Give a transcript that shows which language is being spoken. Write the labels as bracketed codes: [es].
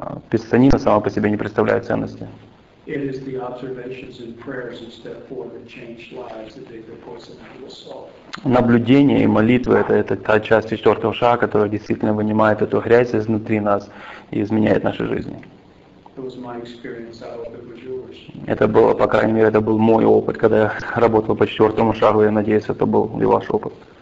[ru] Писанина сама по себе не представляет ценности. [en] It is the observations and prayers in step four that change lives that take the person out of the soul. [ru] Наблюдение и молитва — это та часть четвертого шага, которая действительно вынимает эту грязь изнутри нас и изменяет нашу жизнь. [en] It was my experience, I hope it was yours. [ru] Это было, по крайней мере, это был мой опыт, когда я работал по четвертому шагу, я надеюсь, это был и ваш опыт.